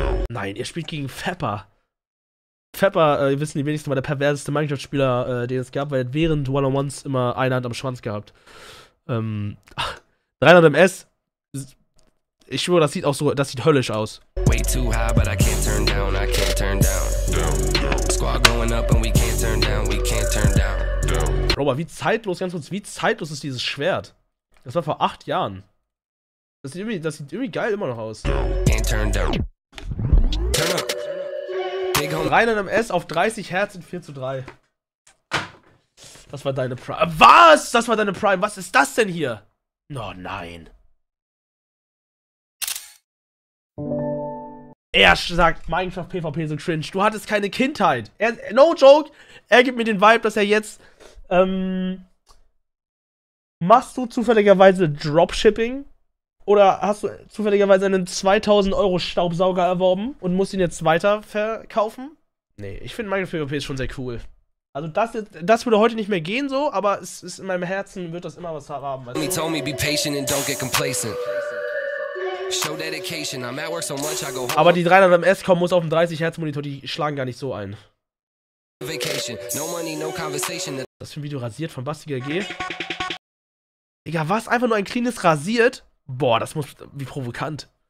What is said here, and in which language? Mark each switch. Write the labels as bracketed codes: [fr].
[de] Nein, er spielt gegen Fepper. Fepper, ihr wisst, die wenigsten, war der perverseste Minecraft-Spieler, den es gab, weil er während One-on-Ones immer eine Hand am Schwanz gehabt. 300 MS. Ich schwöre, das sieht auch so, das sieht höllisch aus. [en] Way too high, but I can't turn down, I can't turn down. Squad going up and we can't turn down, we can't turn down. [de] Robert, wie zeitlos, ganz kurz, wie zeitlos ist dieses Schwert? Das war vor 8 Jahren. Das sieht irgendwie geil immer noch aus. 300 MS auf 30 Hertz in 4:3. Das war deine Prime. Was? Das war deine Prime. Was ist das denn hier? Oh nein. Er sagt, Minecraft PvP so cringe. Du hattest keine Kindheit. [en] No joke. [de] Er gibt mir den Vibe, dass er jetzt... machst du zufälligerweise Dropshipping? Oder hast du zufälligerweise einen 2000-Euro-Staubsauger erworben und musst ihn jetzt weiterverkaufen? Nee, ich finde Minecraft PvP ist schon sehr cool. Also das würde heute nicht mehr gehen so, aber es ist in meinem Herzen, wird das immer was haben. Weißt du? [en] Mommy told me be patient and don't get complacent. Show dedication, I'm at work so much, I go home. [de] Aber die 300 MS kommen muss auf dem 30-Hertz-Monitor, die schlagen gar nicht so ein. [en] Vacation, no money, no conversation. [de] Das ist ein Video rasiert von Basti GG. Digga, was? Einfach nur ein cleanes rasiert? Boah, das muss... Wie provokant.